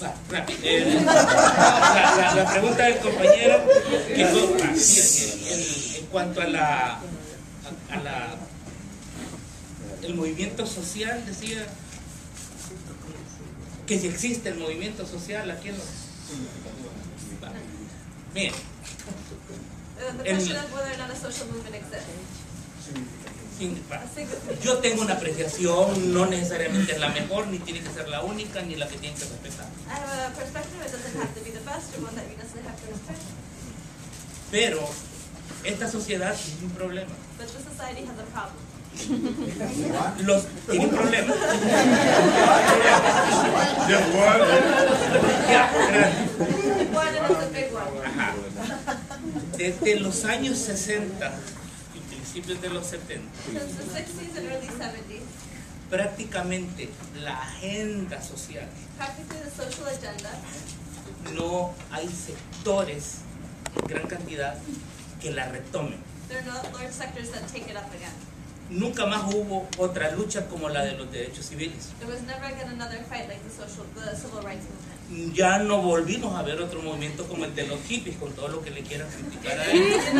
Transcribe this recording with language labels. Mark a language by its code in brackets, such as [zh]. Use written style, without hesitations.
[es] La pregunta del compañero que fue, en cuanto a la el movimiento social decía que si existe el movimiento social aquí en los bien [en] the question of whether or not a social movement exists. [es] Yo tengo una apreciación, no necesariamente es la mejor, ni tiene que ser la única, ni la que tiene que respetar. [en] I have a perspective, it doesn't have to be the best, or one that you necessarily have to respect. [es] Pero, esta sociedad tiene un problema. [en] But this society has a problem. [es] Tiene un problema. [en] The world is a big one. [es] Desde los años 60, principios de los 70. [en] Since the 60s and early 70s. [es] Prácticamente la agenda social. [en] Practically the social agenda. [es] No hay sectores en gran cantidad que la retomen. [en] There are no large sectors that take it up again. [es] Nunca más hubo otra lucha como la de los derechos civiles. [en] There was never again another fight like the civil rights movement. [es] Ya no volvimos a ver otro movimiento como el de los hippies, con todo lo que le quieran criticar a él.